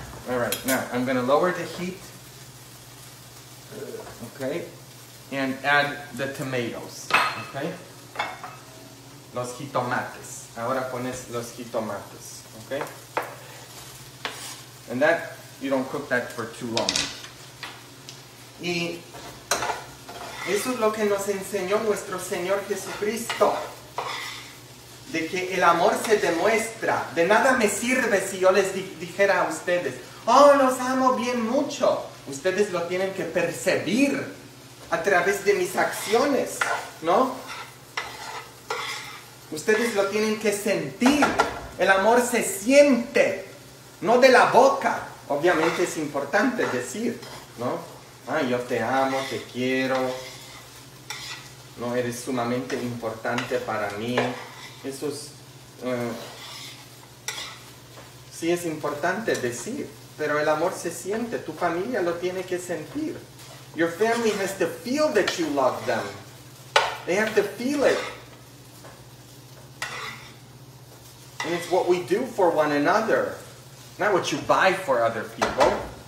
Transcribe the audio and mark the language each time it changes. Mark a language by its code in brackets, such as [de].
[en] All right, now I'm gonna lower the heat, okay, and add the tomatoes, okay? [es] Los jitomates. Ahora pones los jitomates, okay? [en] And that, you don't cook that for too long. [es] Y eso es lo que nos enseñó nuestro Señor Jesucristo. De que el amor se demuestra. De nada me sirve si yo les dijera a ustedes, oh, los amo bien mucho. Ustedes lo tienen que percibir a través de mis acciones, ¿no? Ustedes lo tienen que sentir. El amor se siente, no de la boca. Obviamente es importante decir, ¿no? Ah, yo te amo, te quiero. No, eres sumamente importante para mí. Eso es, sí es importante decir, pero el amor se siente, tu familia lo tiene que sentir. [en] Your family has to feel that you love them. They have to feel it. And it's what we do for one another, not what you buy for other people.